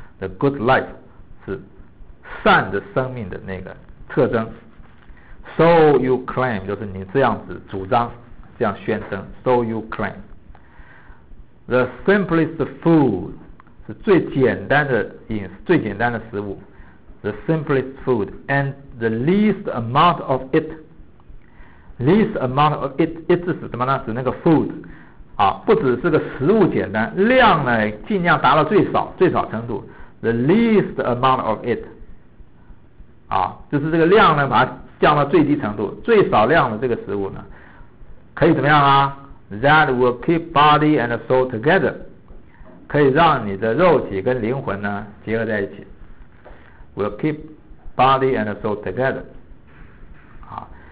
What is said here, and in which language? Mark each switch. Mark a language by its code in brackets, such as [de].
[en] The good life [zh] 是善的生命的那个特征。 [en] So you claim [zh] 就是你这样子主张，这样宣称。 [en] So you claim. The simplest food [zh] 是最简单的饮食，最简单的食物。 [en] The simplest food and the least amount of it. Least amount of it [zh] 是什么呢？是那个 food 啊，不只是个食物简单，量呢尽量达到最少程度。 [en] The least amount of it [zh] 啊，就是这个量呢把它降到最低程度，最少量的这个食物呢可以怎么样啊， [en] That will keep body and soul together， [zh] 可以让你的肉体跟灵魂呢结合在一起， [en] Will keep body and soul together 啊。